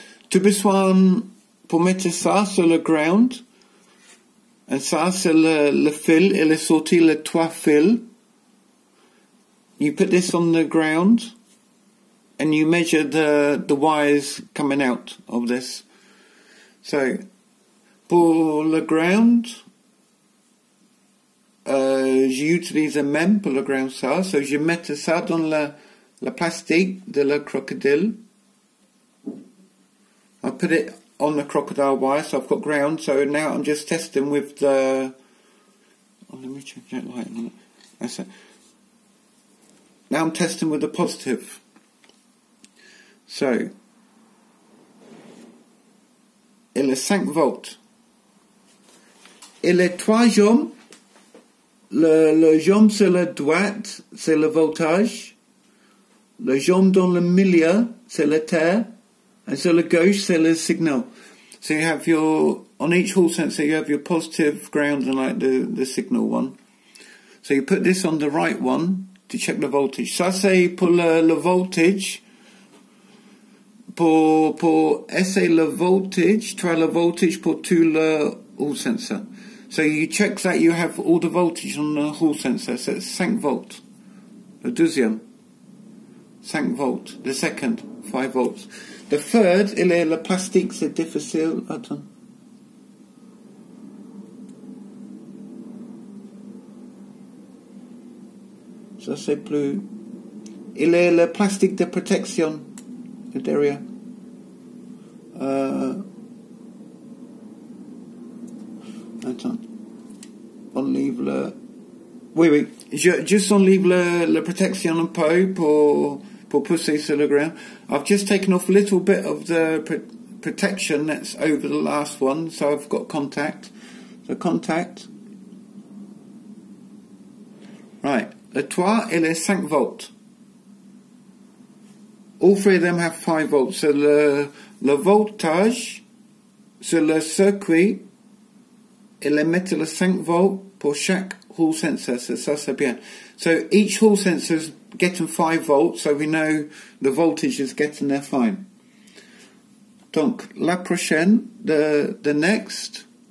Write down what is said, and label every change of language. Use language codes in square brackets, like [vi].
[fr] Tu besoin pour mettre ça sur le ground. Et ça c'est le fil et le sorti le trois fils. [en] You put this on the ground, and you measure the wires coming out of this. [fr] So, pour le ground, j'utilise le même pour le ground ça. So, je mets ça dans le plastique de la crocodile. [en] I put it on the crocodile wire, so I've got ground. So, now I'm just testing with the... Oh, let me check that light. That's it. Now I'm testing with the positive. So... [fr] Il est 5 volts. Il est 3 jambes. Le jambe sur la droite, c'est le voltage. Le jambe dans le milieu, c'est la terre. Et sur la gauche, c'est le signal. [en] So you have your, on each Hall sensor, you have your positive ground and like the signal one. So you put this on the right one to check the voltage. [fr] Ça, c'est pour le voltage. Pour essayer le voltage, try le voltage pour tout le Hall sensor. [en] So you check that you have all the voltage on the Hall sensor. So it's 5 volts. [fr] Le deuxième. [en] 5 volts. The second, 5 volts. The third, [fr] il est le plastique, c'est difficile. Attends. Ça c'est plus. Il est le plastique de protection. Le derrière. Attends. On leave le. Oui. Just on leave le protection en peau pour pousser sur le ground. [en] I've just taken off a little bit of the protection that's over the last one, so I've got contact. The contact. [fr] Right. Le toit, il est 5 volts. [en] All three of them have 5 volts. [fr] So le voltage sur le circuit, il est mettre le 5 volts pour chaque Hall sensor. So ça, c'est bien. [en] So each Hall sensor is getting 5 volts, so we know the voltage is getting there fine. [fr] Donc, la prochaine, [en] the next.